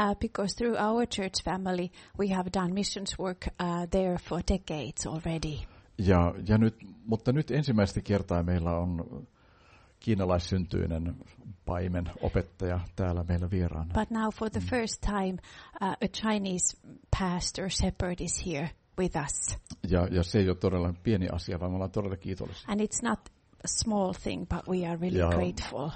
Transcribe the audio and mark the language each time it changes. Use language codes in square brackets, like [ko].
[en] Because through our church family we have done missions work there for decades already. [fi] Mutta nyt ensimmäistä kertaa meillä on kiinalaissyntyinen paimen opettaja täällä meillä vieraana. [en] But now for the first time a Chinese pastor shepherd is here with us. [fi] Ja se ei ole todella pieni asia, vaan me ollaan todella kiitollisia. [en] And it's not a small thing, but we are really grateful.